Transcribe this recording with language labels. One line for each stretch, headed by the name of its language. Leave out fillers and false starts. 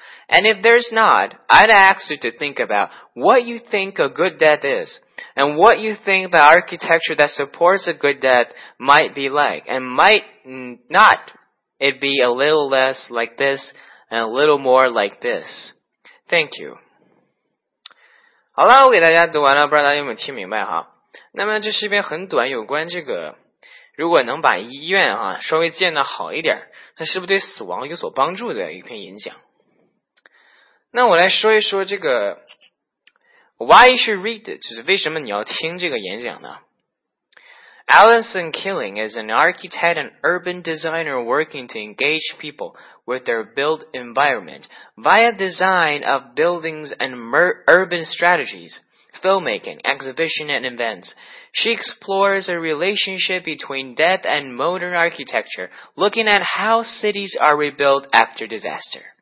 English: And if there's not, I'd ask you to think about what you think a good death is, and what you think the architecture that supports a good death might be like, and might not it be a little less like this, and a little more like this. Thank you.
Chinese: 好了，我给大家读完了，不知道大家有没有听明白哈？那么这是一篇很短，有关这个，如果能把医院啊稍微建得好一点，那是不是对死亡有所帮助的一篇演讲？那我来说一说这个
English: why you should read it,
Chinese: 就是为什么你要听这个演讲呢？
English: Alison Killing is an architect and urban designer working to engage people with their built environment via design of buildings and urban strategies, filmmaking, exhibition and events. She explores a relationship between death and modern architecture, looking at how cities are rebuilt after disaster.